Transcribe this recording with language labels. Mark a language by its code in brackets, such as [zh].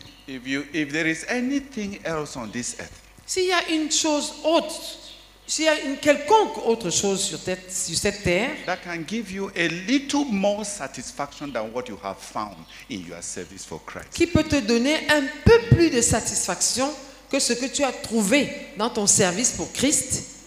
[en] If there is anything else on this earth. [fr] S'il y a une chose autre, s'il y a une quelconque autre chose sur cette terre. [en] That can give you a little more satisfaction than what you have found in your service for Christ. [fr] Qui peut te donner un peu plus de satisfaction que ce que tu as trouvé dans ton service pour Christ.